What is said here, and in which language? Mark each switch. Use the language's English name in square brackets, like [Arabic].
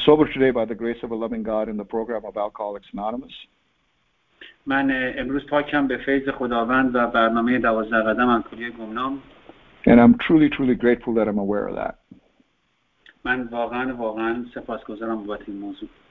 [English] sober today by the grace of a loving God in the program of Alcoholics Anonymous. [Persian] من امروز پاکم به فیض خداوند و برنامه 12 قدم الکلی گمنام. [English] And I'm truly, truly grateful that I'm aware of that. [Persian] من واقعا سپاسگزارم بابت این موضوع.